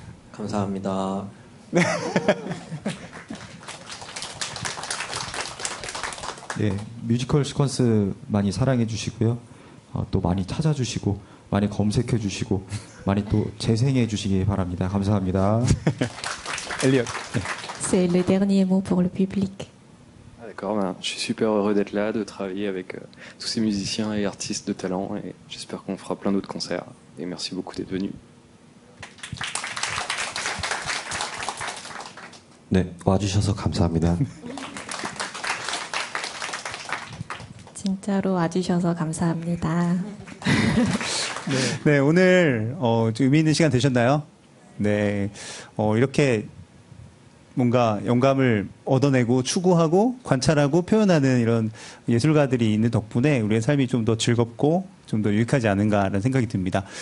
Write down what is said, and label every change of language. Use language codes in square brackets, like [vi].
[ko] 감사합니다. 네. 네, 뮤지컬 시퀀스 많이 사랑해 주시고요. 또 많이 찾아주시고 많이 검색해 주시고 많이 또 재생해 주시기 바랍니다. 감사합니다. 엘리엇. 네. [fr] C'est le dernier mot pour le public. Ah, d'accord, ben, je suis super heureux d'être là, de travailler avec tous ces musiciens et artistes de talent et j'espère qu'on fera plein d'autres concerts. Et merci beaucoup d'être venu. [ko] 네, 와주셔서 감사합니다. 진짜로 와주셔서 감사합니다. 네. 네, 오늘 의미 있는 시간 되셨나요? 네, 이렇게 뭔가 영감을 얻어내고 추구하고 관찰하고 표현하는 이런 예술가들이 있는 덕분에 우리의 삶이 좀 더 즐겁고 좀 더 유익하지 않은가라는 생각이 듭니다.